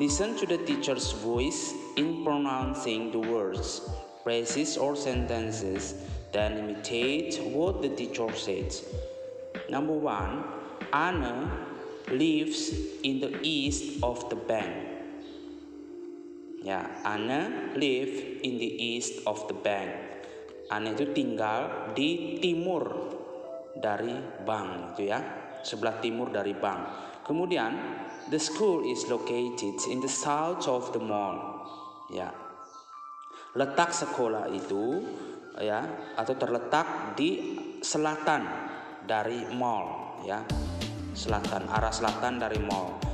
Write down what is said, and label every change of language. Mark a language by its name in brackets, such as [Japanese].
[English] Listen to the teacher's voice in pronouncing the words, phrases or sentences, then imitate what the teacher said. Number 1, Anna lives in the east of the bank. Ya, Anna live in the east of the bank. [Indonesian] Anna itu tinggal di timur dari bank, itu ya, sebelah timur dari bank. [English] Kemudian, the school is located in the south of the mall. [Indonesian] Ya, letak sekolah itu, ya, atau terletak di selatan dari mall, ya, selatan, arah selatan dari mall.